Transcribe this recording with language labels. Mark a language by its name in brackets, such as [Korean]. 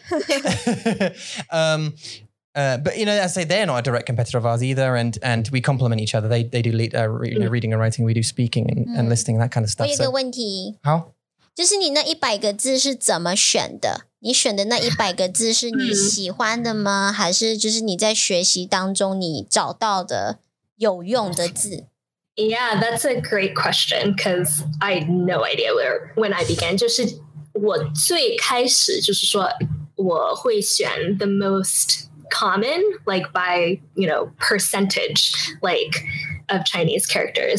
[English] but you know, I say they're not a direct competitor of ours either, and we complement each other. They do reading and writing. We do speaking and listening, that kind of stuff. [Chinese] 我有一个问题。好。就是你那一百个字是怎么选的？你选的那一百个字是你喜欢的吗？还是就是你在学习当中你找到的有用的字？ [English] Yeah, that's a great question because I had no idea where when I began. [Chinese] 就是我最开始就是说我会选 [English] the most common, like by, you know, percentage, like of Chinese characters.